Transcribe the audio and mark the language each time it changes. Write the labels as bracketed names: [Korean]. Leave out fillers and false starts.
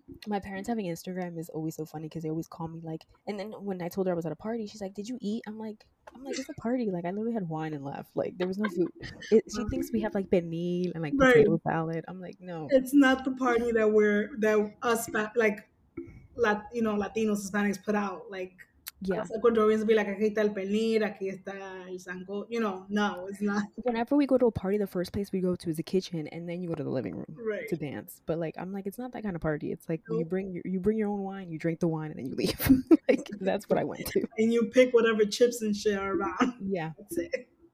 [English] My parents having Instagram is always so funny, because they always call me like, and then when I told her I was at a party, she's like, did you eat? I'm like it's a party, like I literally had wine and left, like there was no food. She thinks we have like pernil and like potato salad. I'm like, no, it's not the party that us Latinos, Hispanics put out, like, yeah, Ecuadorians be like, [Spanish] aquí está el pernil, aquí está el sango. [English] You know, no, it's not. Whenever we go to a party, the first place we go to is the kitchen, and then you go to the living room to dance. But like, I'm like, it's not that kind of party. It's like, nope. you bring your own wine, you drink the wine, and then you leave. Like, that's what I went to. And you pick whatever chips and shit are around. Yeah. That's it.